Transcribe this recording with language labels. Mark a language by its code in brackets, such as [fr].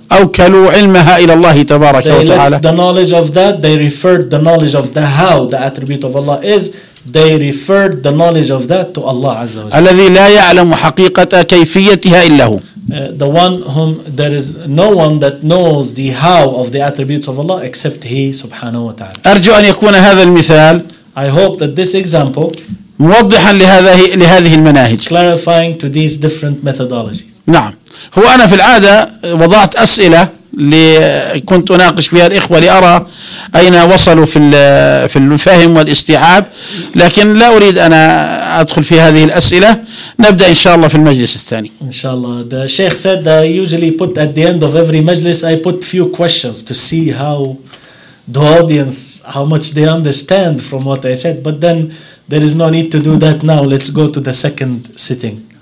[ar] أوكلوا علمها إلى الله تبارك [en] they [ar] وتعالى [en] they left the knowledge of that they referred the knowledge of the how the attribute of Allah is they referred the knowledge of that to Allah [ar] عز وجل الذي لا يعلم حقيقة كيفيتها إلا هو [en] The one whom there is no one that knows the how of the attributes of Allah except He [ar] subhanahu wa ta'ala. أرجو أن يكون هذا المثال [en] I hope that this example [ar] موضحا لهذه المناهج [en] clarifying to these different methodologies. [ar] نعم هو أنا في العادة وضعت أسئلة كنت أناقش فيها الإخوة لأرى أين وصلوا في الفهم والاستيعاب لكن لا أريد أن أدخل في هذه الأسئلة نبدأ إن شاء الله في المجلس الثاني إن شاء الله [en] The Sheikh said I usually put at the end of every مجلس I put few questions to see how the audience how much they understand from what I said but then there is no need to do that now let's go to the second sitting